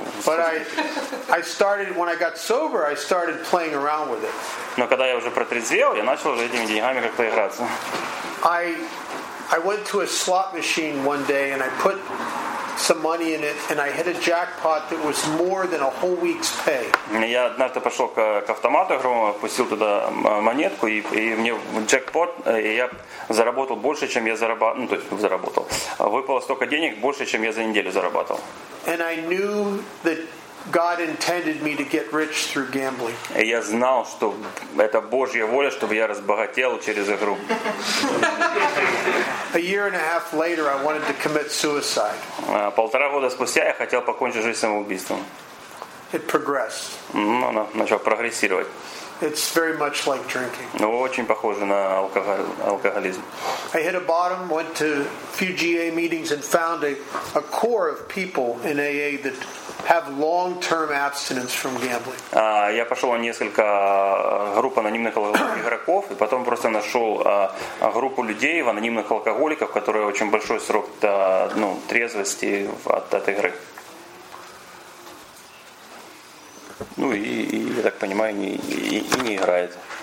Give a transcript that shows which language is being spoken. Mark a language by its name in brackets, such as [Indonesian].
[English] But I started when I got sober. I started playing around with it. [Russian] Но когда я уже протрезвел, я начал уже этими деньгами как-то играться. [English] I went to a slot machine one day and I put some money in it and I hit a jackpot that was more than a whole week's pay. [Russian] Я однажды пошел к автомату игровому, опустил туда монетку и мне джекпот, и я заработал больше, чем я зарабатывал, ну то есть заработал. Выпало столько денег больше, чем я за неделю зарабатывал. [English] And I knew that God intended me to get rich through gambling. [Russian] И я знал, что это Божья воля, чтобы я разбогател через игру. [English] A year and a half later, I wanted to commit suicide. [Russian] Полтора года спустя я хотел покончить жизнь самоубийством. [English] It progressed. [Russian] Ну, оно начало прогрессировать. [English] It's very much like drinking. [Russian] Ну, очень похоже на алкоголизм. [English] I hit a bottom, went to few GA meetings and found a core of people in AA that have long-term abstinence from gambling. [Russian] Я пошел на несколько групп анонимных игроков, и потом просто нашел группу людей в анонимных алкоголиков, которые очень большой срок трезвости от игры. Ну и я так понимаю, и не играет.